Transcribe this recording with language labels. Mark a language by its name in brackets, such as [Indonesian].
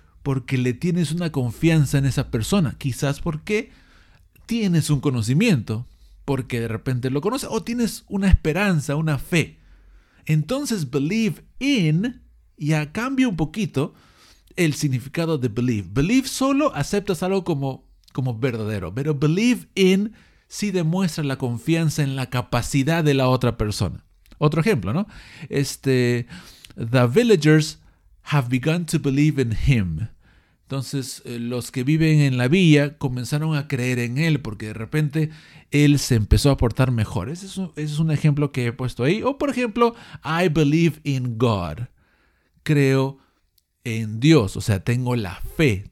[Spanish] Porque le tienes una confianza en esa persona. Quizás porque tienes un conocimiento, porque de repente lo conoces, o tienes una esperanza, una fe. Entonces, believe in, ya cambia un poquito el significado de believe. Believe solo aceptas algo como verdadero, pero believe in sí demuestra la confianza en la capacidad de la otra persona. Otro ejemplo, ¿no? [English] The villagers have begun to believe in him. [Spanish] Entonces, los que viven en la villa comenzaron a creer en él porque de repente él se empezó a portar mejor. Ese es un ejemplo que he puesto ahí. O, por ejemplo, [English] I believe in God. [Spanish] Creo en Dios. O sea, tengo la fe.